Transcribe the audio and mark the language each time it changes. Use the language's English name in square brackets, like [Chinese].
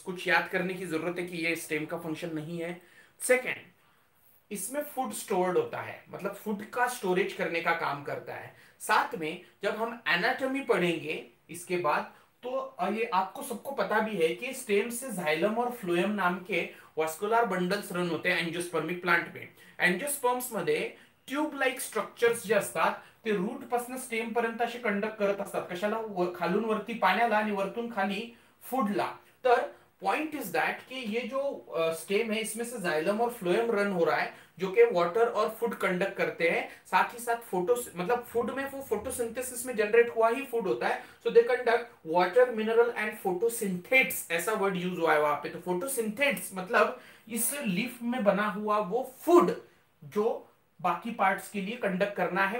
[Hindi] कुछ याद करने की जरूरत है कि ये स्टेम का फंक्शन नहीं है. सेकेंड, इसमें फूड स्टोर्ड होता है, मतलब फूड का स्टोरेज करने का काम करता है. साथ में जब हम एनाटॉमी पढ़ेंगे इसके बाद, तो ये आपको सबको पता भी है कि स्टेम से जाइलम और फ्लोएम नाम के वास्कुलर बंडल्स रन होते हैं एंजियोस्पर्मिक प्लांट में. [Marathi] एंजियोस्पर्म्स मध्ये ट्यूब लाइक स्ट्रक्चर्स जे असतात ते रूट पासून स्टेम पर्यंत असे कंडक्ट करत असतात, कशाला, खालून वरती पाण्याला आणि वरतून खाली फूडला. [Hindi] तर [English] point is that [Hindi] कि ये जो स्टेम है इसमें से जाइलम और फ्लोएम रन हो रहा है जो कि वाटर और फूड कंडक्ट करते हैं, साथ ही साथ फोटो, मतलब फूड में वो फोटोसिंथेसिस में जनरेट हुआ ही फूड होता है. [English] so they conduct water, mineral and photosynthates, [Hindi] ऐसा वर्ड यूज हुआ है वहां पे. तो फोटोसिंथेट्स मतलब इस लीफ में बना हुआ वो फूड जो बाकी पार्ट्स के लिए कंडक्ट करना है.